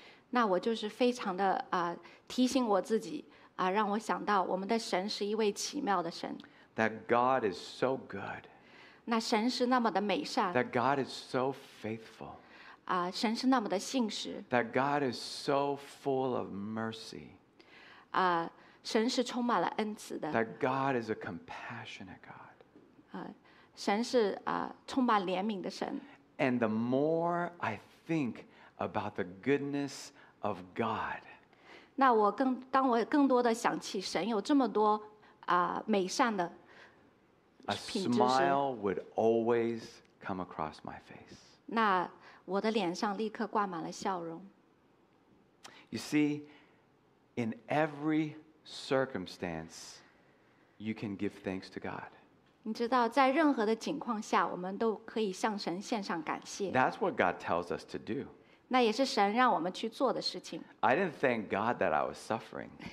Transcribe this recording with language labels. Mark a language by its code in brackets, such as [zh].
[zh] 那我就是非常的提醒我自己让我想到我们的神是一位奇妙的神。 [en] That God is so good. [zh] 那神是那么的美善。 [en] That God is so faithful. [zh] 神是那么的信实。 [en] That God is so full of mercy. [zh] 神是充满了恩慈的。 [en] That God is a compassionate God. [zh] 神是充满怜悯的神。 [en] And the more I think about the goodness of God, [zh] 那我更多的想起神有这么多美善的品质。 [en] A smile would always come across my face. [zh] 那我的脸上立刻挂满了笑容。 [en] You see, in every circumstance, you can give thanks to God. [zh] 你知道，在任何的情况下，我们都可以向神献上感谢。 [en] That's what God tells us to do. [zh] 那也是神让我们去做的事情。 [en] I didn't thank God that I was suffering.